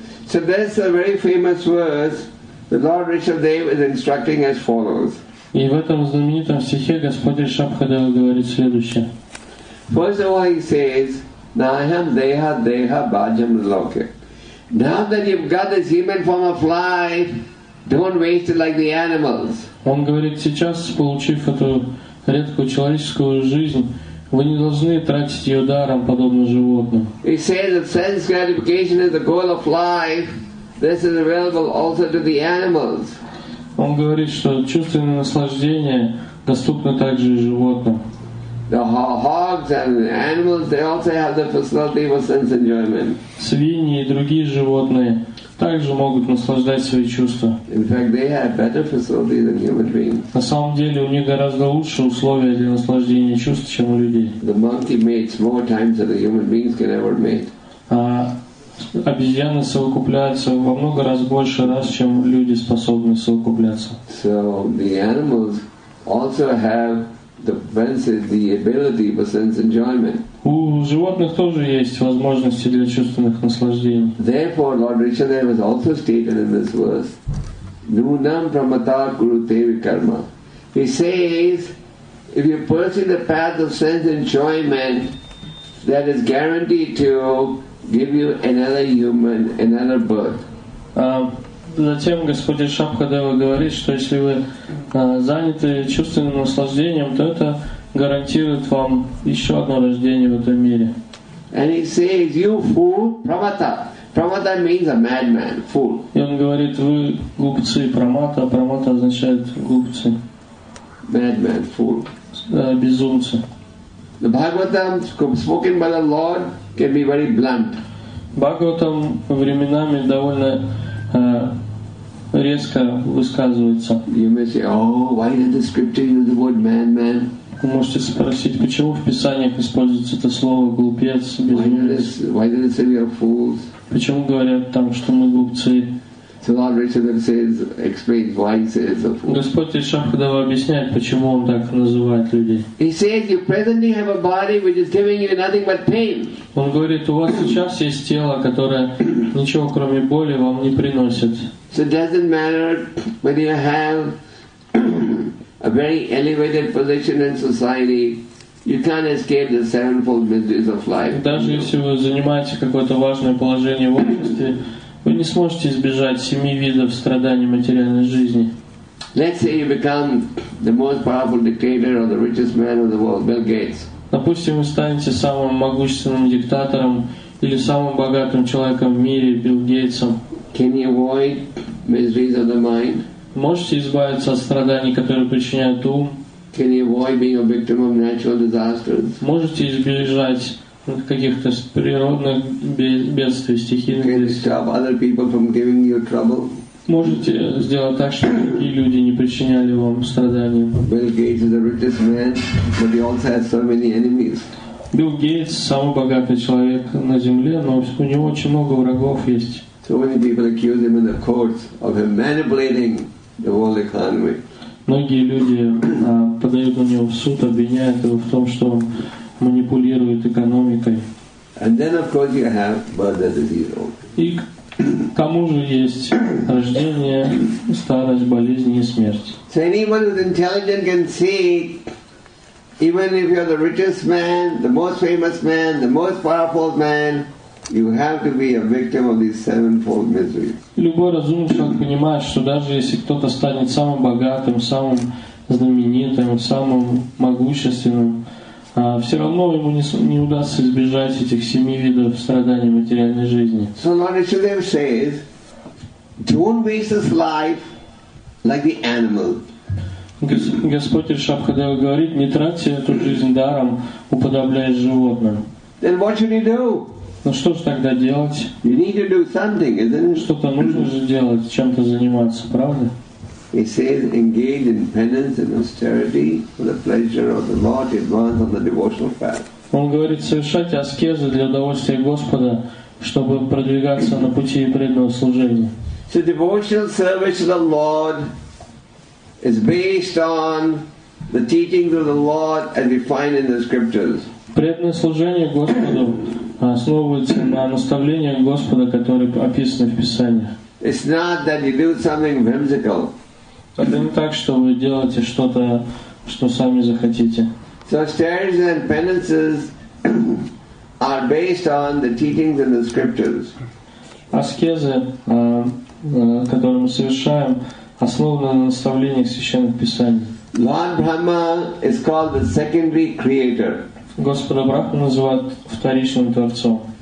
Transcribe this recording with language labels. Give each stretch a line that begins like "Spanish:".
English: So that's a very famous verse the Lord Rishabhadev is instructing as follows.
Russian: И в этом знаменитом стихе Господь Ришабхадева говорит следующее.
English: First of all, he says,
Sanskrit: Naham Deha Deha Bhajam Loke.
English: Now that you've got this human form of life, don't waste it like the animals.
Russian: Он говорит, сейчас, получив эту редкую человеческую жизнь, вы не должны тратить ее даром, подобно животным.
English: He says that sense gratification is the goal of life. This is available also to the animals.
Russian: Он говорит, что чувственное наслаждение доступно также и животным.
English: The hogs and animals, they also have the facility for sense enjoyment.
Russian: Свиньи и другие животные также могут наслаждать свои чувства.
English: In fact, they have better facility than human beings.
Russian: На самом деле, у них гораздо лучшие условия для наслаждения чувств, чем у людей.
English: The monkey mates more times than the human beings can ever mate.
Russian: А обезьяны совокупляются во много раз больше раз, чем люди способны совокупляться.
English: So the animals also have the sense, the ability for sense enjoyment.
Russian: У животных тоже есть возможности для чувственных наслаждений.
English: Therefore, Lord Rishadev has also stated in this verse,
Sanskrit: "Nunam pramatar guru tevi karma."
English: He says, if you pursue the path of sense enjoyment, that is guaranteed to give you another human, another birth.
Russian: Затем Господь Ришабхадева говорит, что если вы заняты чувственным наслаждением, то это гарантирует вам еще одно рождение в этом мире.
English: And he says, you fool, pramata. Pramata means a madman, fool.
Russian: И он говорит, вы глупцы, прамата. Прамата означает глупцы.
English: Madman, fool.
Russian: Безумцы.
English: The Bhagavatam spoken by the Lord can be very blunt.
Russian: Бхагаватам временами довольно резко высказывается.
English: You may say, oh, why did the scripture use the word madman?
Russian: Вы можете спросить, почему в Писаниях используется это слово глупец, безумец?
English: Why did it say we are fools?
Russian: Почему говорят там, что мы глупцы?
English: So Lord Rishadev says, explains why he says a fool.
Russian: Господь Ришабхадева объясняет, почему он так называет людей.
English: He says, you presently have a body which is giving you nothing but pain.
Russian: Он говорит, у вас сейчас есть тело, которое ничего кроме боли вам не приносит.
English: So it doesn't matter whether you have a very elevated position in society, you can't escape the sevenfold miseries of life.
Russian: Даже если вы занимаете какое-то важное положение в обществе, вы не сможете избежать семи видов страданий материальной жизни.
English: Let's say you become the most powerful dictator or the richest man in the world, Bill Gates.
Russian: Допустим, вы станете самым могущественным диктатором или самым богатым человеком в мире, Билл Гейтсом.
English: Can you avoid miseries of the mind?
Russian: Можете избавиться от страданий, которые причиняют ум?
English: Can you avoid being a victim of natural disasters?
Russian: Можете избежать каких-то природных бедствий, стихийных бедствий?
English: Can you stop other people from giving you trouble?
Russian: Можете сделать так, чтобы другие люди не причиняли вам страдания.
English: Bill Gates is the richest man, but he also has so many enemies.
Russian: Билл Гейтс самый богатый человек на земле, но у него очень много врагов есть.
English: So many people accuse him in the courts of him manipulating the world economy.
Russian: Многие люди подают на него в суд, обвиняют его в том, что он манипулирует экономикой.
English: And then, of course, you have birth as a hero.
Russian: К тому же есть рождение, старость, болезни и смерть.
English: So anyone who's intelligent can see, even if you're the richest man, the most famous man, the most powerful man, you have to be a victim of these sevenfold miseries.
Russian: Любой разумный человек понимает, что даже если кто-то станет самым богатым, самым знаменитым, самым могущественным, все равно ему не удастся избежать этих семи видов страданий материальной жизни.
English: So Lord Shiva says, don't waste this life like the animal.
Russian: Господь Ришабхадева говорит, не тратьте эту жизнь даром, уподобляясь животным.
English: Then what should you do?
Russian: Ну что ж тогда делать?
English: You need to do something, isn't it?
Russian: Что-то нужно же делать, чем-то заниматься, правда?
English: He says, engage in penance and austerity for the pleasure of the Lord, advance on the devotional path.
Russian: Он говорит, совершайте аскезы для удовольствия Господа, чтобы продвигаться на пути преданного служения.
English: So devotional service to the Lord is based on the teachings of the Lord as defined in the scriptures.
Russian: Преданное служение Господу основывается на наставлениях Господа, которые описаны в Писаниях.
English: It's not that you do something whimsical.
Russian: Это не так, что вы делаете что-то, что сами захотите.
English: So austerities and penances are based on the teachings in the scriptures.
Russian: Аскезы, которые мы совершаем, основаны на наставлениях священных писаний.
English: Lord Brahma is called the secondary creator.
Russian: Господа Брахма называют вторичным творцом.